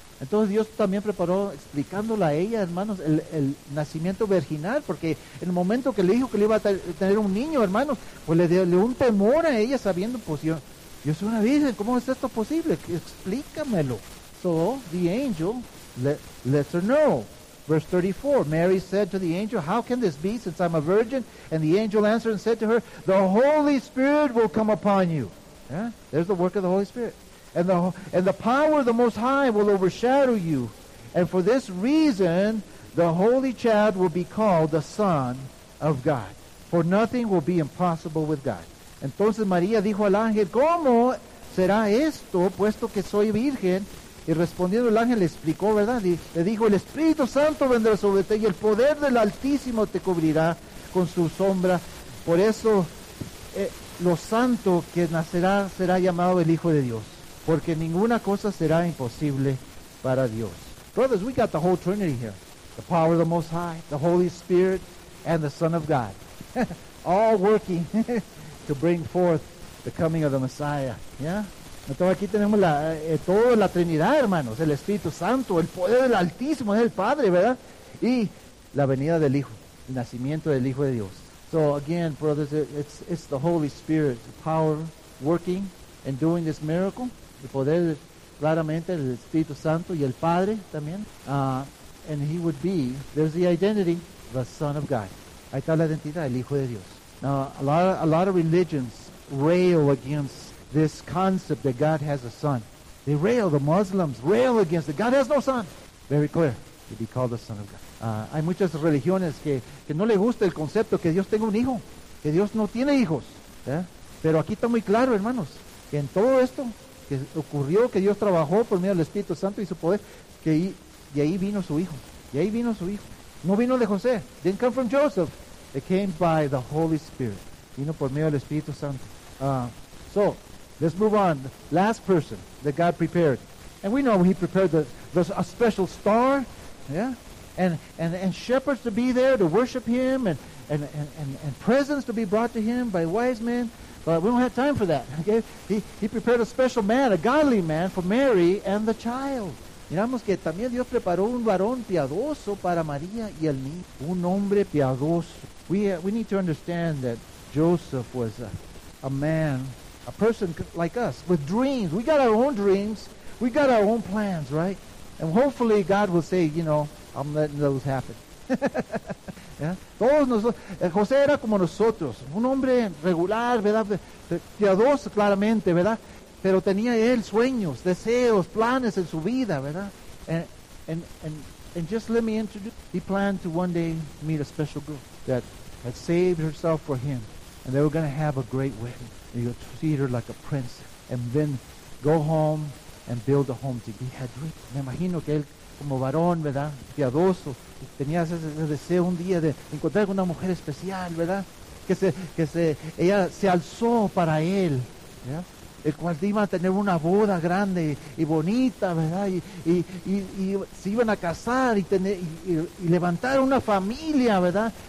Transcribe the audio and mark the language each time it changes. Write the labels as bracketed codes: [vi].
[es] Entonces Dios también preparó, explicándole a ella, hermanos, el nacimiento virginal, porque en el momento que le dijo que le iba a tener un niño, hermanos, pues le dio un temor a ella, sabiendo, pues yo soy una virgen, ¿cómo es esto posible? Explícamelo. [en] So the angel lets her know. Verse 34, Mary said to the angel, how can this be since I'm a virgin? And the angel answered and said to her, the Holy Spirit will come upon you. Yeah? There's the work of the Holy Spirit. And the power of the Most High will overshadow you. And for this reason, the Holy Child will be called the Son of God. For nothing will be impossible with God. [es] Entonces María dijo al ángel, ¿cómo será esto, puesto que soy virgen? Y respondiendo el ángel le explicó, ¿verdad? Le dijo, el Espíritu Santo vendrá sobre ti y el poder del Altísimo te cubrirá con su sombra. Por eso, lo santo que nacerá será llamado el Hijo de Dios. Porque ninguna cosa será imposible para Dios. [en] Brothers, we got the whole Trinity here. The power of the Most High, the Holy Spirit, and the Son of God. All working to bring forth the coming of the Messiah. [es] Yeah? Entonces aquí tenemos toda la Trinidad, hermanos. El Espíritu Santo, el poder del Altísimo, es el Padre, ¿verdad? Y la venida del Hijo, el nacimiento del Hijo de Dios. [en] So again, brothers, it's the Holy Spirit, the power working and doing this miracle. [es] El poder, claramente, del Espíritu Santo y el Padre también. [en] And he would be, there's the identity, the Son of God. [es] Ahí está la identidad, el Hijo de Dios. [en] Now, a lot of religions rail against this concept that God has a son. They rail, the Muslims rail against it. God has no son. Very clear. To be called the Son of God. [es] Hay muchas religiones que no le gusta el concepto que Dios tenga un hijo. Que Dios no tiene hijos. ¿Eh? Pero aquí está muy claro, hermanos, que en todo esto que ocurrió, que Dios trabajó por medio del Espíritu Santo y su poder, que de ahí vino su hijo. Y ahí vino su hijo. No vino de José. [en] Didn't come from Joseph. It came by the Holy Spirit. [es] Vino por medio del Espíritu Santo. [en] So, let's move on. Last person that God prepared. And we know he prepared a special star. Yeah? And shepherds to be there to worship him and presents to be brought to him by wise men. But we don't have time for that. Okay? He prepared a special man, a godly man, for Mary and the child. [es] Miramos que también Dios preparó un varón piadoso para María y el niño. Un hombre piadoso. [en] We need to understand that Joseph was a man, a person like us, with dreams. We got our own dreams. We got our own plans, right? And hopefully God will say, you know, I'm letting those happen. Yeah? [es] Todos nosotros, José era como nosotros, un hombre regular, ¿verdad? Piadoso claramente, ¿verdad? Pero tenía él sueños, deseos, planes en su vida, ¿verdad? [en] And just let me introduce, he planned to one day meet a special girl that had saved herself for him, and they were going to have a great wedding. He would treat her like a prince, and then go home and build a home together. [es] Me imagino que él como varón, ¿verdad? Piadoso, tenía ese deseo un día de encontrar una mujer especial, ¿verdad? Que ella se alzó para él, ¿verdad? El cual iba a tener una boda grande y bonita, ¿verdad? Y se iban a casar y tener y levantar una familia, ¿verdad?